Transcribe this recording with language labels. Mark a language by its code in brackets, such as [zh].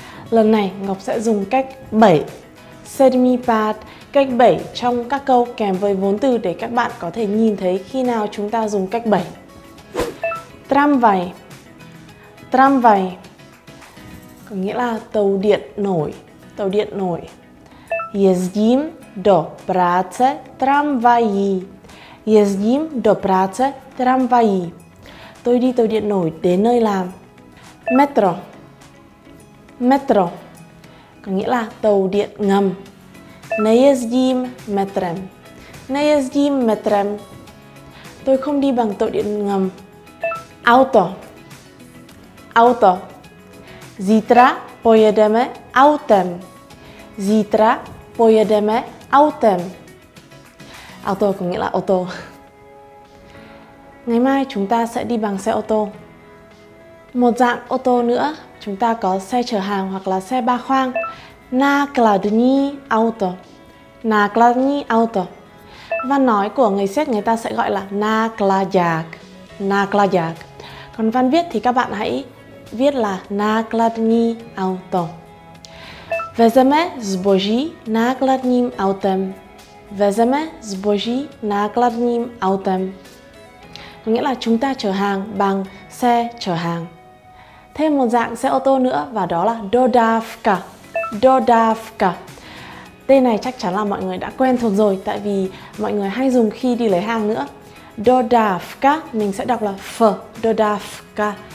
[vi] Lần này Ngọc sẽ dùng cách 7. [cs] Sedmý pád, [vi] cách 7 trong các câu kèm với vốn từ để các bạn có thể nhìn thấy khi nào chúng ta dùng cách 7. Tramvaj. Tramvaj. Có nghĩa là tàu điện nổi, tàu điện nổi. [cs] Jezdím do práce tramvají. Jezdím do práce tramvají. [vi] Tôi đi tàu điện nổi đến nơi làm. Metro. Metro. Có nghĩa là tàu điện ngầm. [cs] Nejezdím metrem. Nejezdím metrem. [vi] Tôi không đi bằng tàu điện ngầm. [cs] Auto. Auto. Zítra pojedeme autem. Zítra pojedeme autem. [vi] Auto có nghĩa là ô tô. Ngày mai chúng ta sẽ đi bằng xe ô tô. Một dạng ô tô nữa, chúng ta có xe chở hàng hoặc là xe ba khoang. [cs] Nákladní auto. Nákladní auto. [vi] Văn nói của người Séc người ta sẽ gọi là nákladák. Nákladák. Còn văn viết thì các bạn hãy viết là nákladní auto. [cs] Vezeme zboží nákladním autem. Vezeme zboží nákladním autem. [vi] Có nghĩa là chúng ta chở hàng bằng xe chở hàng. Thêm một dạng xe ô tô nữa và đó là dodávka. Dodávka. Tên này chắc chắn là mọi người đã quen thuộc rồi tại vì mọi người hay dùng khi đi lấy hàng nữa. Dodávka, mình sẽ đọc là F, dodávka.